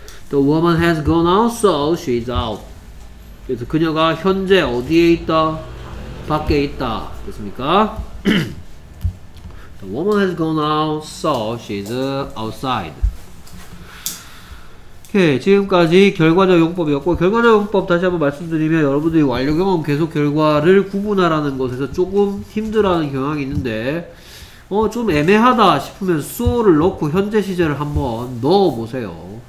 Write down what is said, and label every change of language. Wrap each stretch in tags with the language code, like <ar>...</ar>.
<en>The woman has gone out, so she is out.</en> <ko>그래서 그녀가 현재 어디에 있다? 밖에 있다. 됐습니까?</ko> <en>The woman has gone out, so she is outside.</en> <ko>오케이, 지금까지 결과적 용법이었고, 결과적 용법 다시 한번 말씀드리면, 여러분들이 완료 경험 계속 결과를 구분하라는 것에서 조금 힘들어하는 경향이 있는데, 어, 좀 애매하다 싶으면 so를 넣고 현재 시제를 한번 넣어보세요.</ko>